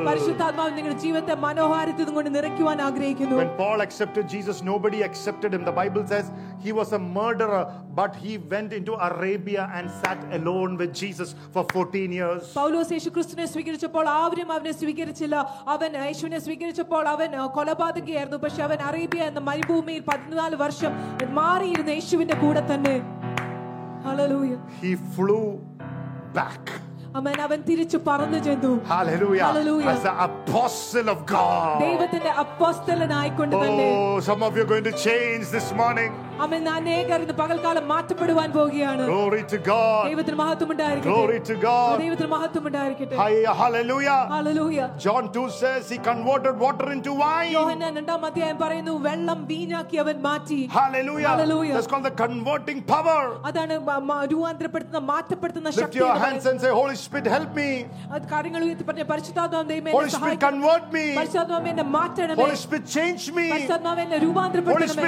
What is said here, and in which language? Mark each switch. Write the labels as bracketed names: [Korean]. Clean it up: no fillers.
[Malayalam] പരിശുദ്ധാത്മാവ് നിങ്ങളുടെ ജീവിതത്തെ മനോഹാരിതം കൊണ്ട് നിറയ്ക്കുവാൻ ആഗ്രഹിക്കുന്നു. [English] When Paul accepted Jesus, nobody accepted him. The Bible says he was a murderer, but he went into Arabia and sat alone with Jesus for 14 years. [Malayalam] പൗലോസ് യേശുക്രിസ്തുവിനെ സ്വീകരിച്ചപ്പോൾ ആരും അവനെ സ്വീകരിച്ചില്ല. അവൻ യേശുവിനെ സ്വീകരിച്ചപ്പോൾ അവൻ കൊലപാതകിയായിരുന്നു. പക്ഷേ അവൻ അറേബ്യ എന്ന മരുഭൂമിയിൽ 14 വർഷം മാറിയിരുന്ന യേശുവിന്റെ കൂടെ തന്നെ. [English] Hallelujah. He flew back. [Malayalam] Amen. അവൻ തിരിച്ചു പറന്നു ചെന്നു. [English] Hallelujah. Hallelujah. As the apostle of God. [Malayalam] ദൈവത്തിന്റെ അപ്പോസ്തലനായി കൊണ്ട് തന്നെ. [English] Oh, some of you are going to change this morning. Amen. [Malayalam] അനേകർ ഇന്ന് പകൽക്കാലം മാറ്റപ്പെടുവാൻ പോവുകയാണ്. [English] Glory to God. [Malayalam] ദൈവത്തിന് മഹത്വം ഉണ്ടായിരിക്കട്ടെ. [English] Glory to God. [Malayalam] ദൈവത്തിന് മഹത്വം ഉണ്ടായിരിക്കട്ടെ. [English] Hallelujah. Hallelujah. Hallelujah. John 2 says he converted water into wine. [Malayalam] യോഹന്നാൻ രണ്ടാം അധ്യായം പറയുന്നു വെള്ളം വീഞ്ഞാക്കി അവൻ മാറ്റി. [English] Hallelujah. Hallelujah. That's called the converting power. [Malayalam] അതാണ് രൂപാന്തരപ്പെടുത്തുന്ന മാറ്റപ്പെടുത്തുന്ന ശക്തി. [English] Lift your hands and say, Holy Spirit, help me. [Malayalam] അത് കാര്യങ്ങൾ ഉയർത്തി പറഞ്ഞു പരിശുദ്ധാത്മാവേ ദൈവമേ എന്നെ സഹായിക്കണമേ. [English] Holy Spirit, convert me. [Malayalam] പരിശുദ്ധാത്മാവേ എന്നെ മാറ്റണമേ. [English] Holy Spirit, change me. [Malayalam] പരിശുദ്ധാത്മാവേ എന്നെ രൂപാന്തരപ്പെടുത്തണമേ.